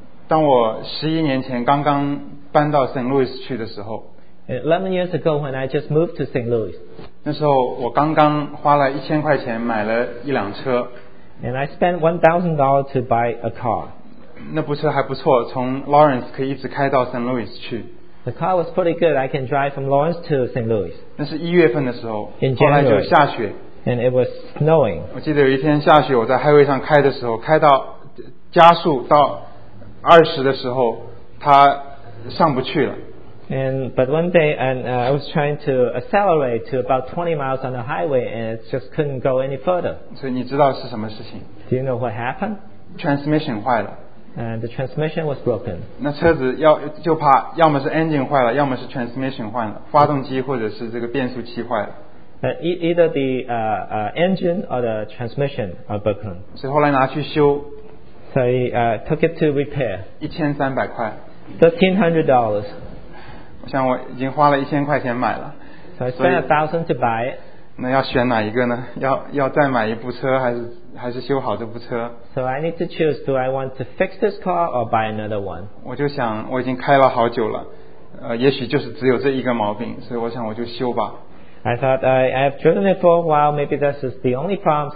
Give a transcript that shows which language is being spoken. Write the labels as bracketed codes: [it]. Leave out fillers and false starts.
[zh] 当我十一年前刚刚搬到 St. Louis 去的时候。 [en] 11 years ago when I just moved to St. Louis. [zh] 那时候我刚刚花了1000块钱买了一辆车。 [en] And I spent $1,000 to buy a car. [zh] 那部车还不错，从 Lawrence 可以一直开到 St. Louis 去。 [en] The car was pretty good. I can drive from Lawrence to St. Louis. [zh] 那是一月份的时候。 [en] In January. [zh] 后来就下雪。 [en] And it was snowing. [zh] 我记得有一天下雪，我在 highway 上开的时候，开到加速到20的时候，它上不去了。 [en] But one day, I was trying to accelerate to about 20 miles on the highway, and it just couldn't go any further. [zh] 所以你知道是什么事情？ [en] Do you know what happened? [zh] Transmission 坏了。 [en] And the transmission was broken. [zh] 那车子要就怕，要么是 engine 坏了，要么是 transmission 坏了，发动机或者是这个变速器坏了。 [en] Either the engine or the transmission are broken. [zh] 所以后来拿去修。 [en] So he took it to repair. [zh] 1300块。 [en] $1,300。 [zh] 我想我已经花了1000块钱买了。 [en] So I spent $1,000 to buy it. [zh] 那要选哪一个呢？要再买一部车，还是修好这部车 [en] ？So I need to choose. Do I want to fix this car or buy another one? [zh] 我就想我已经开了好久了，也许就是只有这一个毛病，所以我想我就修吧。 [en] I thought I have driven it for a while. Maybe this is the only problem.